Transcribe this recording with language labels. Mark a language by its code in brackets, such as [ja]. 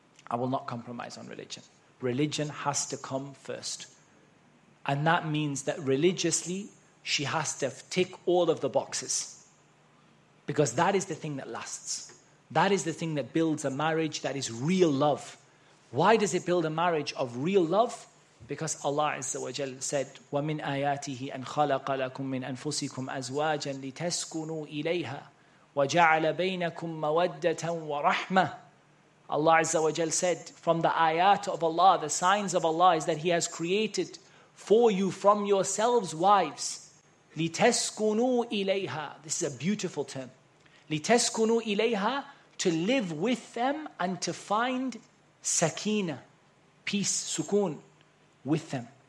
[en] I will not compromise on religion. Religion has to come first. And that means that religiously, she has to tick all of the boxes. Because that is the thing that lasts. That is the thing that builds a marriage that is real love. Why does it build a marriage of real love? Because Allah Azza wa Jal said, [ar] وَمِنْ آيَاتِهِ أَنْ خَلَقَ لَكُمْ مِنْ أَنفُسِكُمْ أَزْوَاجًا لِتَسْكُنُوا إِلَيْهَا وَجَعَلَ بَيْنَكُمْ مَوَدَّةً وَرَحْمَةً. [en] Allah Azza wa Jal said, from the ayat of Allah, the signs of Allah is that He has created for you from yourselves wives. [ar] لِتَسْكُنُوا إِلَيْهَا. [en] This is a beautiful term. [ar] لِتَسْكُنُوا إِلَيْهَا, [en] to live with them and to find sakina, peace, sukoon with them.